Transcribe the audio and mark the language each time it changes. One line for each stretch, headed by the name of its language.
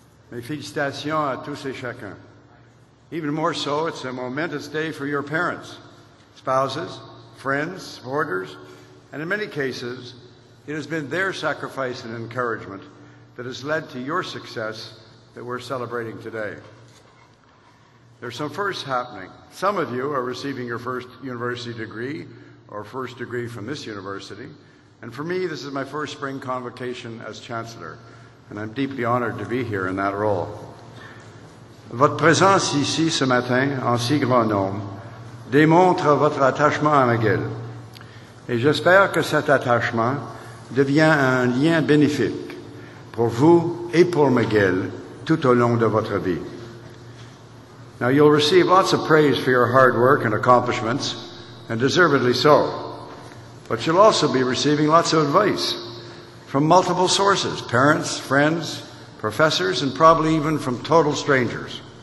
French: Mes félicitations à tous et chacun.
English: Even more so, it's a momentous day for your parents, spouses, friends, supporters, and in many cases, it has been their sacrifice and encouragement that has led to your success that we're celebrating today. There's some firsts happening. Some of you are receiving your first university degree or first degree from this university. And for me, this is my first spring convocation as chancellor, and I'm deeply honored to be here in that role.
French: Votre présence ici ce matin, en si grand nombre, démontre votre attachement à McGill. Et j'espère que cet attachement devient un lien bénéfique pour vous et pour McGill tout au long de votre vie.
English: Now, you'll receive lots of praise for your hard work and accomplishments, and deservedly so. But you'll also be receiving lots of advice from multiple sources, parents, friends, professors, and probably even from total strangers.